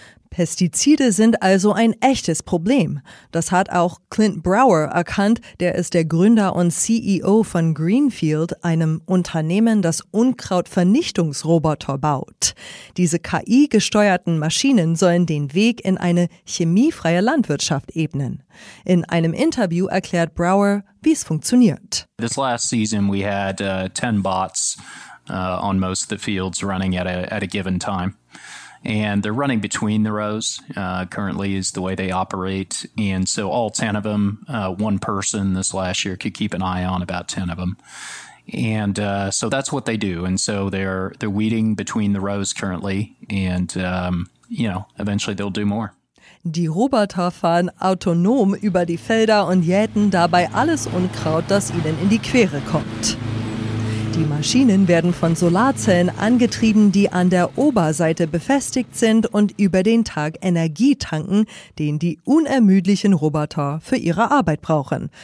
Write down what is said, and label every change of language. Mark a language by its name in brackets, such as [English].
[German] Pestizide sind also ein echtes Problem. Das hat auch Clint Brower erkannt, der ist der Gründer und CEO von Greenfield, einem Unternehmen, das Unkrautvernichtungsroboter baut. Diese KI-gesteuerten Maschinen sollen den Weg in eine chemiefreie Landwirtschaft ebnen. In einem Interview erklärt Brower, wie es funktioniert. [English] This last season we had 10 bots on most of the fields running at a given time. And they're running between the rows currently is the way they operate. And so all 10 of them, one person this last year could keep an eye on about 10 of them. And so that's what they do. And so they're weeding between the rows currently. And, you know, eventually they'll do more. [German] Die Roboter fahren autonom über die Felder und jäten dabei alles Unkraut, das ihnen in die Quere kommt. Die Maschinen werden von Solarzellen angetrieben, die an der Oberseite befestigt sind und über den Tag Energie tanken, den die unermüdlichen Roboter für ihre Arbeit brauchen.